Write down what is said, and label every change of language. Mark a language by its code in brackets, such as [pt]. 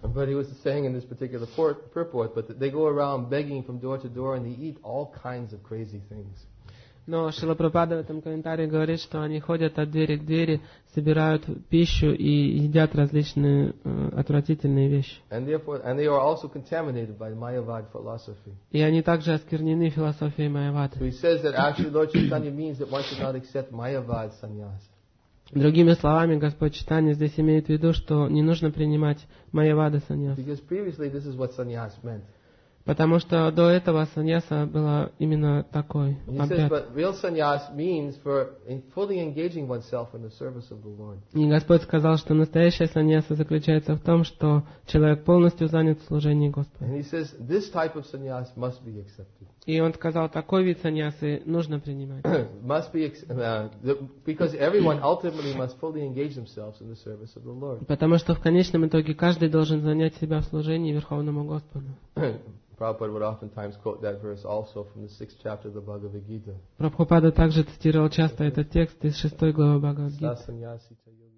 [en] But he was saying in this particular purport, but they go around begging from door to door and they eat all kinds of crazy things. [ru] Но Шрила Прабхупада в этом комментарии говорит, что они ходят от двери к двери, собирают пищу и едят различные отвратительные вещи. [en] And they are also contaminated by Mayavad philosophy. [ru] И они также осквернены философией Майявад. [en] So he says that actually Lord Chaitanya means that one should not accept Mayavad sannyas. [ru] Другими словами, Господь Чайтанья здесь имеет в виду, что не нужно принимать Майявада саньяс. [en] Because previously this is what sannyas meant. [ru] Потому что до этого саньяса была именно такой. [en] Real sannyas means for fully engaging oneself in the service of the Lord. [ru] И Господь сказал, что настоящая саньяса заключается в том, что человек полностью занят в служении Господа. [en] And he says this type of sannyas must be accepted. [ru] И он сказал, такой вид саньясы нужно принимать. [en] Must be, because everyone ultimately must fully engage themselves in the service of the Lord. [ru] Потому что в конечном итоге каждый должен занять себя в служении Верховному Господу. [en] Prabhupada would oftentimes quote that verse also from the 6th chapter of the Bhagavad Gita. [ru] Прабхупада также цитировал часто этот текст из 6 главы Бхагавад-гиты.